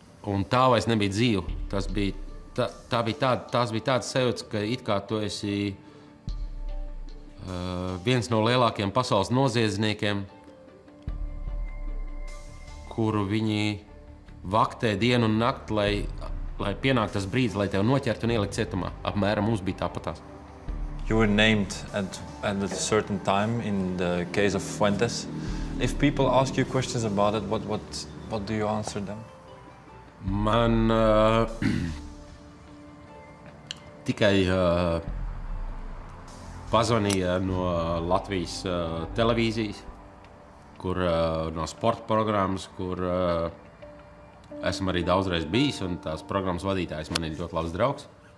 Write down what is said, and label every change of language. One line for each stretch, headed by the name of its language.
Latvian: Un tā vairs nebija dzīve. Tās bija tādas sajūtas, ka it kā tu esi viens no lielākiem pasaules noziedzniekiem, kuru viņi vaktē dienu un nakti, lai pienāk tas brīdis, lai tev noķertu un ielikt cietumā. Apmēram mums bija tāpatās.
English: You were named at a certain time in the case of Fuentes. If people ask you questions about it, what do you answer them?
Latvian: Man tikai pazvanīja no Latvijas televīzijas. Kur no sporta programmas, kur esam arī daudzreiz bijis, un tās programmas vadītājs man ir ļoti labs draugs.